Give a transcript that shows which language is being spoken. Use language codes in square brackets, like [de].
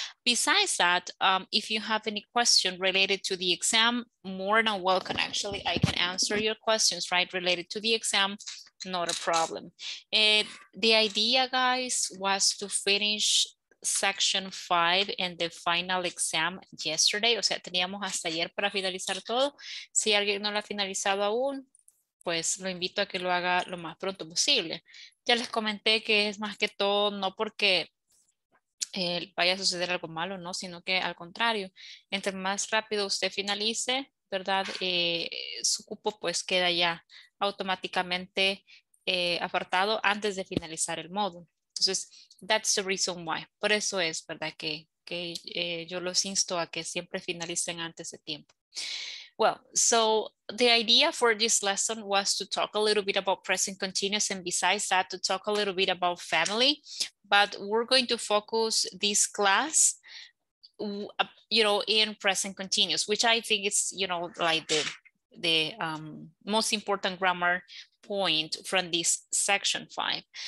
[en] Besides that, if you have any question related to the exam, more than welcome. Actually, I can answer your questions, right, related to the exam, not a problem. And the idea, guys, was to finish section 5 and the final exam yesterday. [es] O sea, teníamos hasta ayer para finalizar todo. Si alguien no lo ha finalizado aún, pues lo invito a que lo haga lo más pronto posible. Ya les comenté que es más que todo no porque vaya a suceder algo malo, ¿no? Sino que al contrario, entre más rápido usted finalice, ¿verdad? Su cupo pues queda ya automáticamente apartado antes de finalizar el módulo. Entonces, [en] that's the reason why. [es] Por eso es, ¿verdad? Que yo los insto a que siempre finalicen antes de tiempo. [en] Well, so the idea for this lesson was to talk a little bit about present continuous and besides that, to talk a little bit about family, but we're going to focus this class, you know, in present continuous, which I think is, you know, like the most important grammar point from this section 5.